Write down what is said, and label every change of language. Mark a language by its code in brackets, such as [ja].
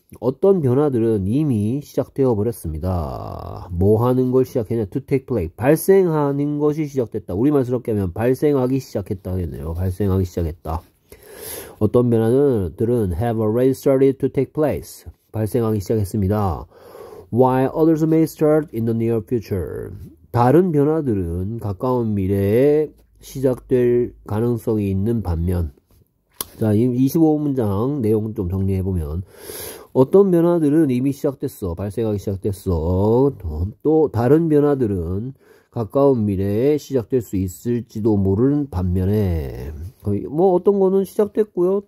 [ko] 어떤 변화들은 이미 시작되어 버렸습니다. 뭐 하는 걸 시작했냐? [en] To take place. [ko] 발생하는 것이 시작됐다. 우리말 스럽게 하면 발생하기 시작했다겠네요. 발생하기 시작했다. 어떤 변화들은 [en] have already started to take place. [ko] 발생하기 시작했습니다. [en] While others may start in the near future. [ko] 다른 변화들은 가까운 미래에 시작될 가능성이 있는 반면 자, 25 문장 내용 좀 정리해보면 어떤 변화들은 이미 시작됐어, 발생하기 시작됐어. 또 다른 변화들은 가까운 미래에 시작될 수 있을지도 모르는 반면에 뭐 어떤 거는 시작됐고요.